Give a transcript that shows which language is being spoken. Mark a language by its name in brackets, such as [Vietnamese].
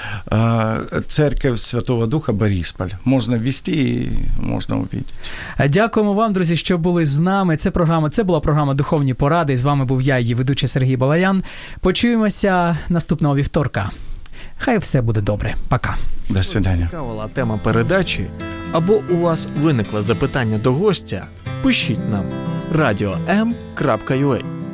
[Russian] Борисполь, церкви Святого Духа Борисполь. [Ukrainian] Можна ввести і можна увидіти. Дякуємо вам, друзі, що були з нами. Це була програма «Духовні поради». З вами був я, її ведучий Сергій Балаян. Почуємося наступного вівторка. Хай все буде добре. Пока. [Russian] До свидання. [Ukrainian] Цікавила тема передачі або у вас виникло запитання до гостя, пишіть нам radio.m.ua.